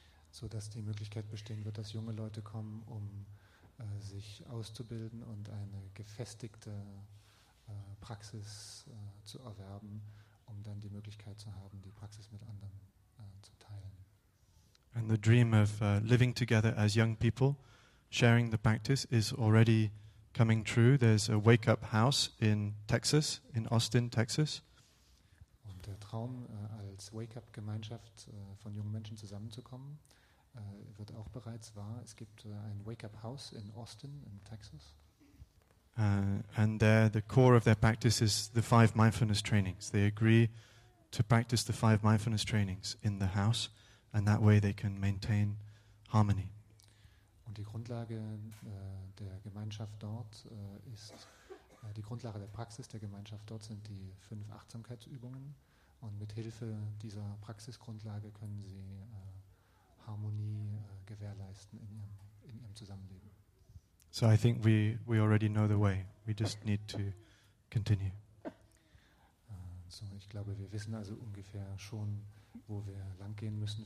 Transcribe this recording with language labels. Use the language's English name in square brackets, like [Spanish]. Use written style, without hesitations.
[German] So dass die Möglichkeit bestehen wird, dass junge Leute kommen, um sich auszubilden und eine gefestigte Praxis zu erwerben, um dann die Möglichkeit zu haben, die Praxis mit anderen zu teilen. [English] And the dream of living together as young people, sharing the practice, is already coming true. There's a wake-up house in Texas, in Austin, Texas. [German] Und der Traum, als Wake-up-Gemeinschaft von jungen Menschen zusammenzukommen, wird auch bereits wahr. Es gibt ein Wake-up House in Austin, in Texas. [English] And there, the core of their practice is the 5 mindfulness trainings. They agree to practice the 5 mindfulness trainings in the house and that way they can maintain harmony. [German] Und die Grundlage der Gemeinschaft dort ist die Grundlage der Praxis der Gemeinschaft dort sind die 5 Achtsamkeitsübungen und mit Hilfe dieser Praxisgrundlage können sie Harmonie gewährleisten in ihrem Zusammenleben. [English] So I think we already know the way. We just need to continue. [German] So ich glaube, wir wissen also ungefähr schon, wo wir lang gehen müssen.